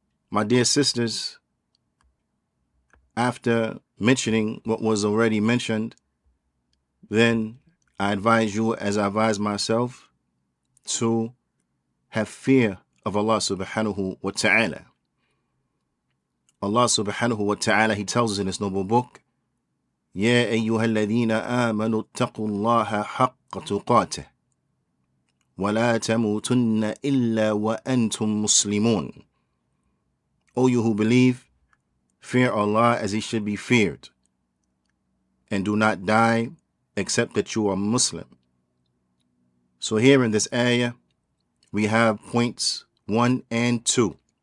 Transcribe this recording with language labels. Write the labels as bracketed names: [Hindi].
[English] My dear sisters, after mentioning what was already mentioned, then I advise you, as I advise myself, to have fear of Allah subhanahu wa ta'ala. Allah subhanahu wa ta'ala, He tells us in His noble book, [Arabic] يا أيها الذين آمنوا اتقوا الله حق تقاته ولا تموتن إلا وأنتم مسلمون. [English] O you who believe, fear Allah as He should be feared, and do not die except that you are Muslim. So here in this ayah, we have points 1 and 2.